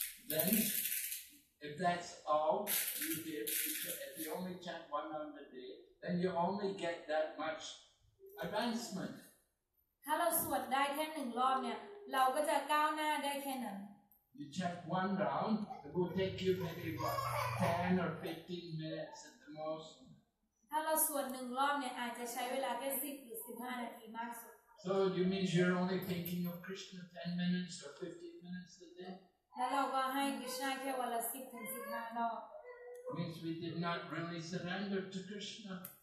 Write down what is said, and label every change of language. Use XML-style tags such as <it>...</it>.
<en>Then, if that's all you give, if you only chant one round a day, then you only get that much advancement.</en> <th>ถ้าเราสวดได้แค่หนึ่งรอบเนี่ยเราก็จะก้าวหน้าได้แค่นั้น</th> <en>You check one round, it will take you maybe what 10 or 15 minutes at the most.</en> <th>ถ้าเราสวดหนึ่งรอบเนี่ยอาจจะใช้เวลาแค่10หรือ15นาทีมากสุด</th> <en>So you mean you're only thinking of Krishna 10 minutes or 15 minutes a day?</en> <th>ถ้าเราก็ให้กิจการแค่วันละ10ถึง15รอบ</th> <en>Means we did not really surrender to Krishna.</en>